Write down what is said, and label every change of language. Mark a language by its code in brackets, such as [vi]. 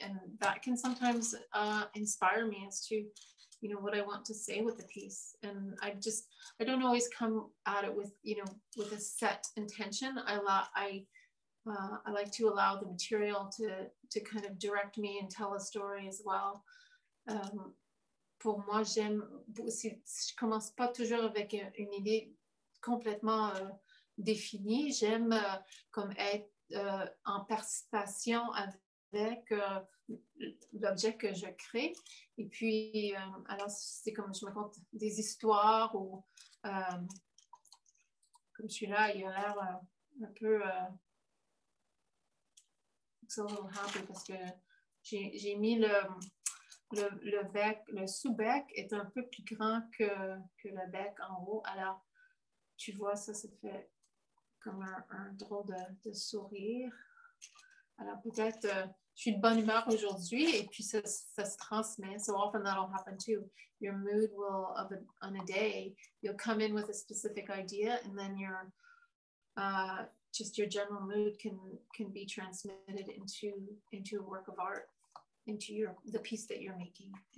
[en] And that can sometimes inspire me as to, you know, what I want to say with the piece. And I just, I don't always come at it with, you know, with a set intention. I like to allow the material to kind of direct me and tell a story as well. [fr] Pour moi, j'aime aussi, je commence pas toujours avec une idée complètement définie. J'aime comme être en participation avec l'objet que je crée. Et puis, alors, c'est comme je me raconte des histoires ou comme celui-là, il a l'air un peu... [en] So little happy [fr] parce que j'ai mis le bec, le sous-bec est un peu plus grand que le bec en haut. Alors, tu vois, ça fait comme un drôle de sourire. Alors, peut-être, je suis de bonne humeur aujourd'hui et puis ça se transmet. [en] So often that'll happen too. Your mood will, on a day, you'll come in with a specific idea and then you're... just your general mood can be transmitted into a work of art, into the piece that you're making.